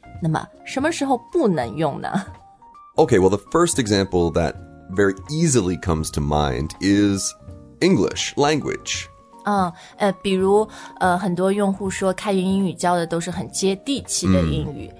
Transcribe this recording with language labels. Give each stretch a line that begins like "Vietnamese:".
Chinese: 那么什么时候不能用呢
English: Okay, well, the first example that very easily comes to mind is English language.
Chinese: 比如很多用户说开源英语教的都是很接地气的英语。